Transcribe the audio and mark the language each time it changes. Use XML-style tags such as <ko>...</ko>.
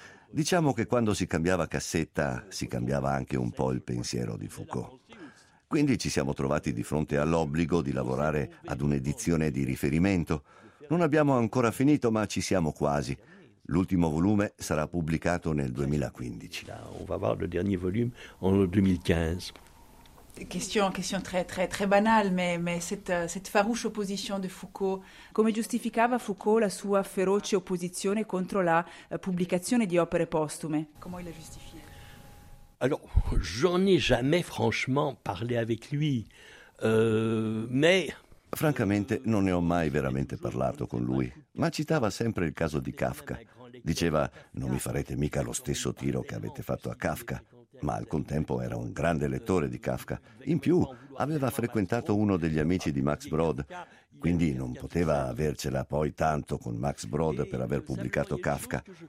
<it>Diciamo che quando si cambiava cassetta si cambiava anche un po' il pensiero di Foucault. Quindi ci siamo trovati di fronte all'obbligo di lavorare ad un'edizione di riferimento. Non abbiamo ancora finito, ma ci siamo quasi. L'ultimo volume sarà pubblicato nel 2015.</it> <fr>On va voir le dernier volume en 2015. Question très très très banale, mais cette farouche opposition de Foucault.</fr> <it>Come giustificava Foucault la sua feroce opposizione contro la pubblicazione di opere postume?</it> <fr>Come il giustifica? Alors, j'en ai jamais franchement parlé avec lui, mais.</fr> <it>Francamente, non ne ho mai veramente parlato con lui, ma citava sempre il caso di Kafka. Diceva: non mi farete mica lo stesso tiro che avete fatto a Kafka. Ma al contempo era un grande lettore di Kafka. In più, aveva frequentato uno degli amici di Max Brod, quindi non poteva avercela poi tanto con Max Brod per aver pubblicato Kafka.</it>